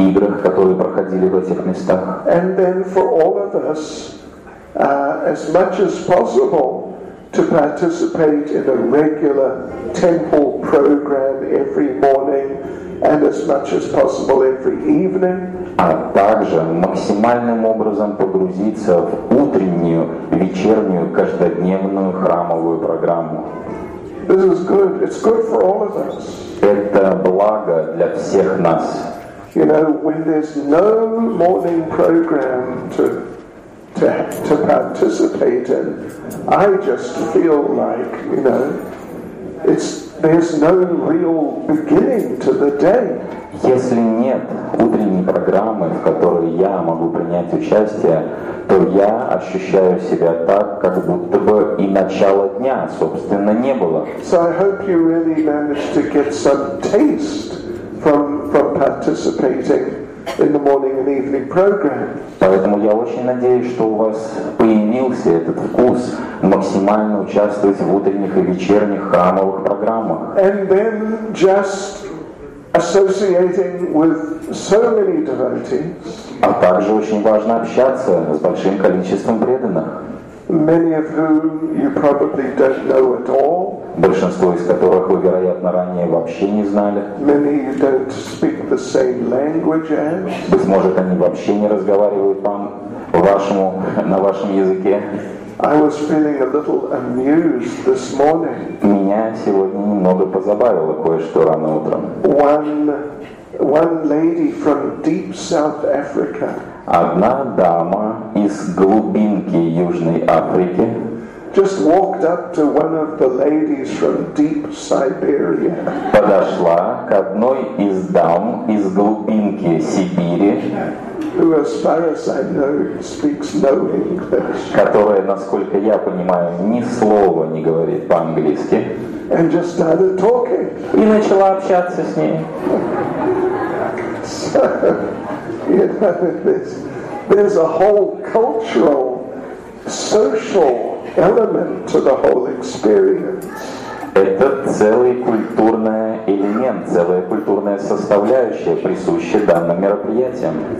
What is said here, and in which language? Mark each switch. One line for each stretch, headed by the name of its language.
Russian: играх, которые проходили в этих местах.
English: And then for all of us, as much as possible, to participate in a regular temple program every morning. And as much as possible every evening.
Russian: А также максимальным образом погрузиться в утреннюю, вечернюю, каждодневную храмовую программу.
English: This is good. It's good for all of us.
Russian: Это благо для всех нас.
English: You know, when there's no morning program to participate in, I just feel like, you know, there's no real beginning to the day.
Russian: Если нет утренней программы, в которой я могу принять участие, то я ощущаю себя так, как будто бы и начала дня, собственно, не было.
English: So I hope you really managed to get some taste from participating in the morning and evening program.
Russian: Поэтому я очень надеюсь, что у вас появился этот вкус максимально участвовать в утренних и вечерних храмовых программах.
English: And then just associating with so many devotees.
Russian: А также очень важно общаться с большим количеством преданных.
English: Many of whom you probably don't know at all.
Russian: Большинство из которых вы, вероятно, ранее вообще не знали.
English: Many of you don't speak the same language as.
Russian: Быть может, они вообще не разговаривают вам вашему на вашем языке.
English: I was feeling a little amused this morning.
Russian: Меня сегодня немного позабавило кое-что рано утром.
English: One lady from deep South Africa.
Russian: Одна дама из глубинки Южной Африки.
English: Just walked up to one of the ladies from deep Siberia.
Russian: Подошла к одной из дам из глубинки Сибири.
English: Who, as far as I know, speaks no English.
Russian: Которая, насколько я понимаю, ни слова не говорит по-английски.
English: And just started talking.
Russian: И начала общаться с ней.
English: So, you know, there's a whole cultural, social element to the whole experience.
Russian: Это целый культурный элемент, целая культурная составляющая, присущая данным мероприятиям.